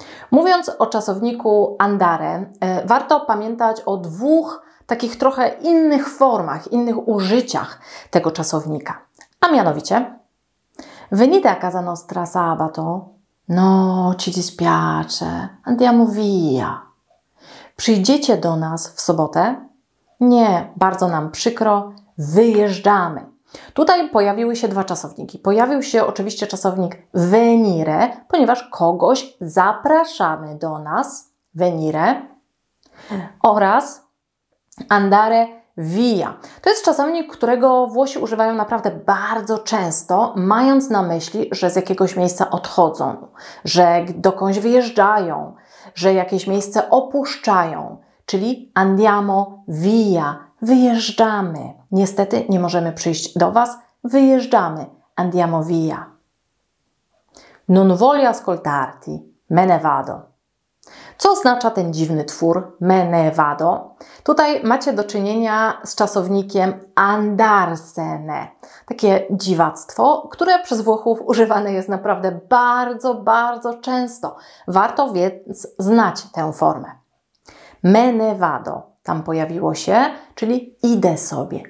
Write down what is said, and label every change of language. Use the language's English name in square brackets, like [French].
[Polish] Mówiąc o czasowniku andare, warto pamiętać o dwóch takich trochę innych formach, innych użyciach tego czasownika. A mianowicie, [Italian] venite a casa nostra sabato, no ci dispiace, andiamo via. [Polish] Przyjdziecie do nas w sobotę? Nie, bardzo nam przykro, wyjeżdżamy. Tutaj pojawiły się dwa czasowniki. Pojawił się oczywiście czasownik venire, ponieważ kogoś zapraszamy do nas, venire, oraz andare via. To jest czasownik, którego Włosi używają naprawdę bardzo często, mając na myśli, że z jakiegoś miejsca odchodzą, że dokądś wyjeżdżają, że jakieś miejsce opuszczają, czyli [Italian] andiamo via, [Polish] wyjeżdżamy. Niestety nie możemy przyjść do Was, wyjeżdżamy, [Italian] andiamo via. Non voglio ascoltarti, me ne vado. [Polish] Co oznacza ten dziwny twór, [Italian] me ne vado? [Polish] Tutaj macie do czynienia z czasownikiem andarsene. Takie dziwactwo, które przez Włochów używane jest naprawdę bardzo, bardzo często. Warto więc znać tę formę. [Italian] Me ne vado, [Polish] tam pojawiło się, czyli idę sobie.